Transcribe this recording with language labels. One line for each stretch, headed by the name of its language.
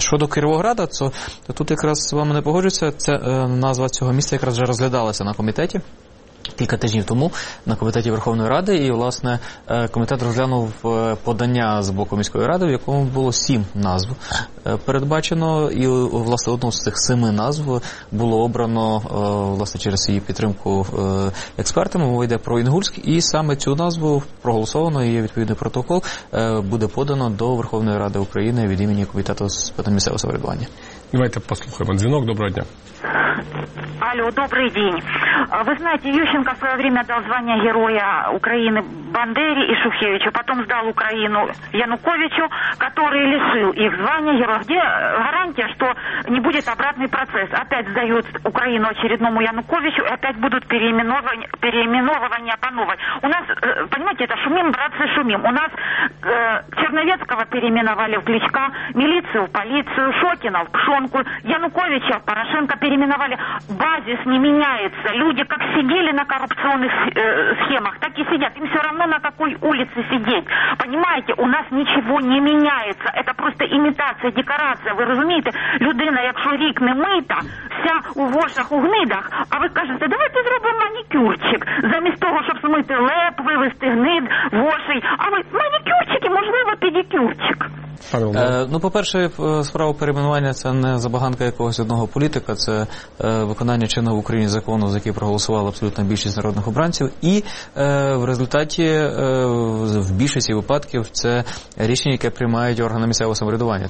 Ukrainian: Щодо Кировограда, то тут якраз з вами не погоджуся, це назва цього міста якраз вже розглядалася на комітеті кілька тижнів тому на комітеті Верховної Ради, і, власне, комітет розглянув подання з боку міської ради, в якому було 7 назв передбачено, і, власне, одну з цих 7 назв було обрано, власне, через її підтримку експертами. Мова йде про Інгульськ, і саме цю назву проголосовано, і відповідний протокол буде подано до Верховної Ради України від імені комітету з питань місцевого самоврядування. Давайте послухаємо дзвінок. Доброго дня.
Russian: Алло, добрый день. Вы знаете, Ющенко в свое время дал звание Героя Украины Бандере и Шухевичу, потом сдал Украину Януковичу, который лишил их звания Героя. Где гарантия, что не будет обратный процесс? Опять сдают Украину очередному Януковичу, и опять будут переименовывания по новой. У нас, понимаете, это шумим, братцы, шумим. У нас Черновецкого переименовали в Кличка, милицию в полицию, Шокина в Пшонку, Януковича в Порошенко переименовали. Базис не меняется. Люди как сидели на коррупционных схемах, так и сидят. Им все равно, на какой улице сидеть. Понимаете, у нас ничего не меняется. Это просто имитация, декорация. Вы разумеете,
Ukrainian: людина, якщо рік не мита, вся у вошах, у гнидах, а вы кажете, давайте зробимо манікюрчик. Замість того, щоб смити леп, вивести гнид, воший. А ви манікюрчики, можливо, педикюрчик. Ну, по-перше, справа перейменування – це не забаганка якогось одного політика, це виконання чинного в Україні закону, за який проголосувала абсолютна більшість народних обранців, і в результаті, в більшості випадків, це рішення, яке приймають органи місцевого самоврядування.